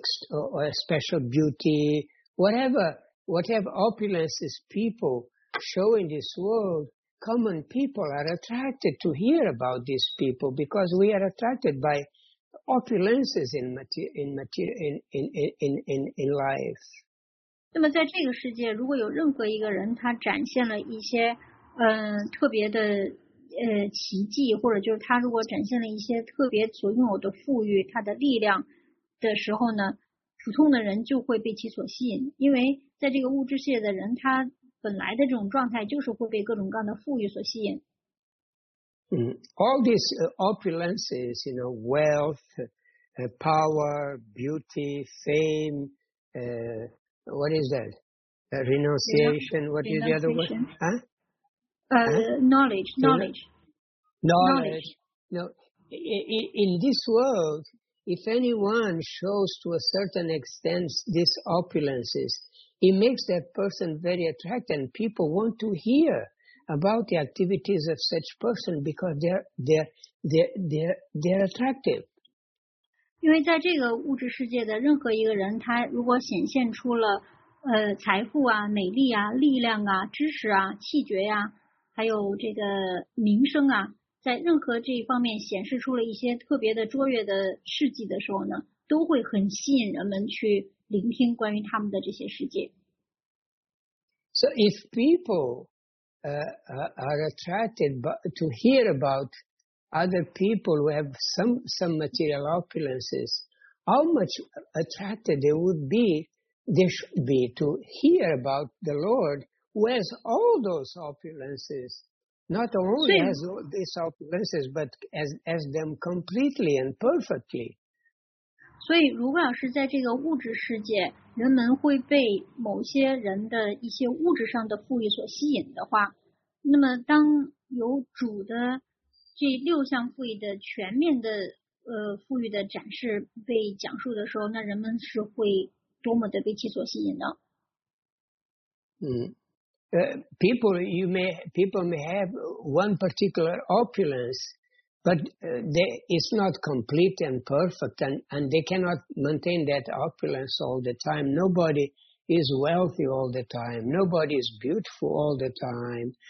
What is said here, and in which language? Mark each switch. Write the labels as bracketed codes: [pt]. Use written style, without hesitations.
[en] or a special beauty, whatever opulence is people show in this world, common people are attracted to hear about these people because we are attracted by opulences in life. [zh] 那么在这个世界，如果有任何一个人他展现了一些特别的奇迹，或者就是他如果展现了一些特别所拥有的富裕，他的力量的时候呢，普通的人就会被其所吸引，因为在这个物质世界的人，他本来的这种状态就是会被各种各样的富裕所吸引。 [en] All these opulences, you know, wealth, power, beauty, fame, what is that? Renunciation. What is the other word? Knowledge. No, in this world, if anyone shows to a certain extent these opulences, it makes that person very attractive, and people want to hear about the activities of such person because they're attractive. [zh] 因为在这个物质世界的任何一个人，他如果显现出了财富啊、美丽啊、力量啊、知识啊、气绝呀、啊，还有这个名声啊。在任何这一方面显示出了一些特别的卓越的事迹的时候呢，都会很吸引人们去聆听关于他们的这些事迹。 [en] So if people are attracted to hear about other people who have some material opulences, how much attracted they should be to hear about the Lord who has all those opulences. Not only as these opulences, but as them completely and perfectly. [zh] 所以，如果要是在这个物质世界，人们会被某些人的一些物质上的富裕所吸引的话，那么当有主的这六项富裕的全面的富裕的展示被讲述的时候，那人们是会多么的被其所吸引呢？ [en] People may have one particular opulence, but it's not complete and perfect, and they cannot maintain that opulence all the time. Nobody is wealthy all the time. Nobody is beautiful all the time.